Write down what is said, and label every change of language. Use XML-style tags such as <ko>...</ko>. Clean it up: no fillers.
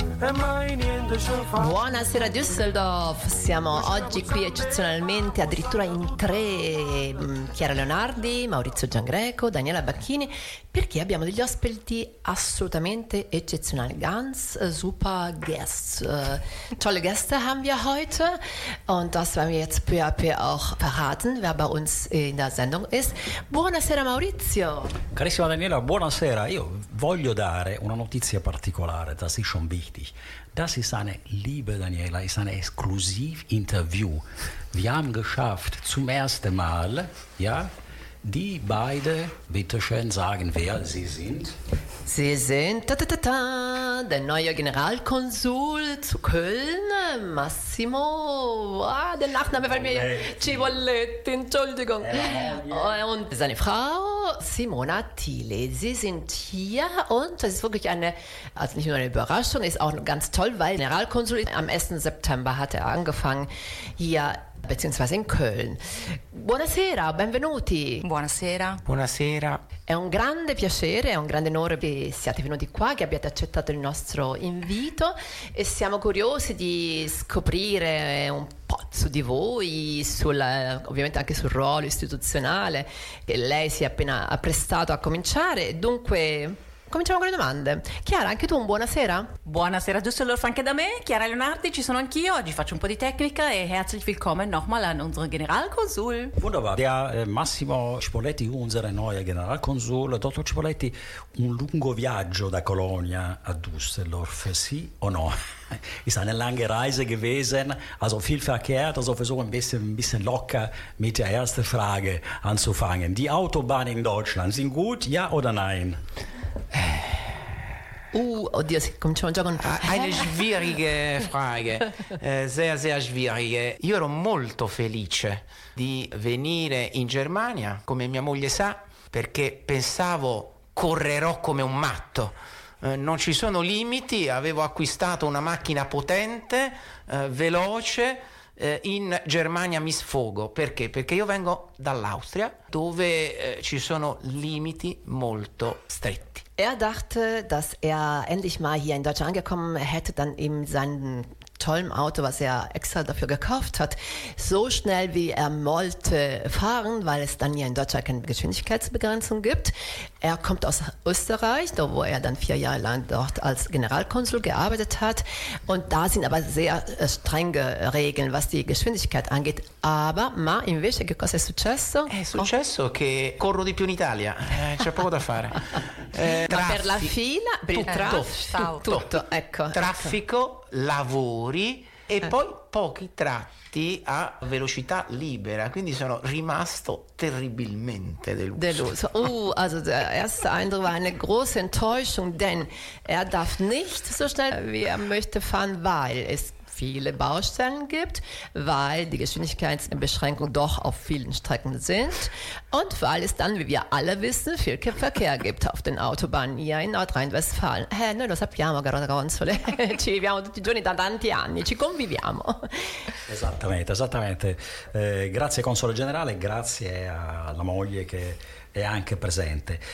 <it>Buonasera Düsseldorf, siamo oggi qui eccezionalmente addirittura in tre: Chiara Leonardi, Maurizio Giangreco, Daniela Bacchini, perché abbiamo degli ospiti assolutamente eccezionali.</it> <de>Ganz super guests, tolle Gäste haben wir heute und das werden wir jetzt peu à peu auch verraten, wer bei uns in der Sendung ist.</de> <it>Buonasera Maurizio. Carissima Daniela, buonasera. Io voglio dare una notizia particolare,</it> <de>das ist schon wichtig. Das ist eine, liebe Daniela, ist eine Exklusiv-Interview. Wir haben geschafft, zum ersten Mal, ja, die beide, bitteschön, sagen, wer sie sind. Sie sind der neue Generalkonsul zu Köln, Massimo. Ah, der Nachname fällt mir. Cibolletti, Entschuldigung. Und seine Frau, Simona Thiele. Sie sind hier und das ist wirklich eine, also nicht nur eine Überraschung, ist auch ganz toll, weil Generalkonsul am 1. September hat er angefangen hier, beziehungsweise in Köln.</de> <it>Buonasera, benvenuti. Buonasera. Buonasera. È un grande piacere, è un grande onore che siate venuti qua, che abbiate accettato il nostro invito e siamo curiosi di scoprire un po' su di voi, sul, ovviamente anche sul ruolo istituzionale che lei si è appena apprestato a cominciare. Dunque, cominciamo con le domande. Chiara, anche tu un buonasera. Buonasera Düsseldorf anche da me. Chiara Leonardi, ci sono anch'io. Oggi faccio un po' di tecnica e</it> <de>herzlich willkommen nochmal an unseren Generalkonsul. Wunderbar. Der Massimo Cipolletti, unser neuer Generalkonsul.</de> <it>Dottor Cipolletti, un lungo viaggio da Colonia a Düsseldorf, sì o no?</it> <de>Ist eine lange Reise gewesen, also viel verkehrt, also versuche ein bisschen locker mit der ersten Frage anzufangen. Die Autobahnen in Deutschland sind gut, ja oder nein?</de> <it>Oddio, cominciamo già con</it> <de>eine schwierige Frage, sehr, sehr schwierige.</de> <it>Io ero molto felice di venire in Germania, come mia moglie sa, perché pensavo correrò come un matto. Non ci sono limiti, avevo acquistato una macchina potente, veloce, in Germania mi sfogo. Perché? Perché io vengo dall'Austria, dove ci sono limiti molto stretti.</it> <de>Er dachte, dass er endlich mal hier in Deutschland angekommen hätte, dann in seinem tollen Auto, was er extra dafür gekauft hat, so schnell wie er wollte fahren, weil es dann hier in Deutschland keine Geschwindigkeitsbegrenzung gibt. Er kommt aus Österreich, wo er dann 4 Jahre lang dort als Generalkonsul gearbeitet hat. Und da sind aber sehr strenge Regeln, was die Geschwindigkeit angeht.</de> <it>Aber, ma invece, che cosa è successo? È successo che corro di più in Italia. C'è poco da fare. Ma per la fila, per il tutto, ecco. Traffico, lavori e poi pochi tratti a velocità libera, quindi sono rimasto terribilmente deluso. Also der erste Eindruck war eine große Enttäuschung, denn er darf nicht so schnell wie er möchte fahren, weil es viele Baustellen gibt, weil die Geschwindigkeitsbeschränkungen doch auf vielen Strecken sind und weil es dann, wie wir alle wissen, viel Verkehr gibt auf den Autobahnen hier in Nordrhein-Westfalen. Noi lo sappiamo, caro console, ci viviamo tutti i giorni da tanti anni, ci conviviamo. Esattamente, esattamente. Grazie console generale, grazie alla moglie che è anche presente.</it>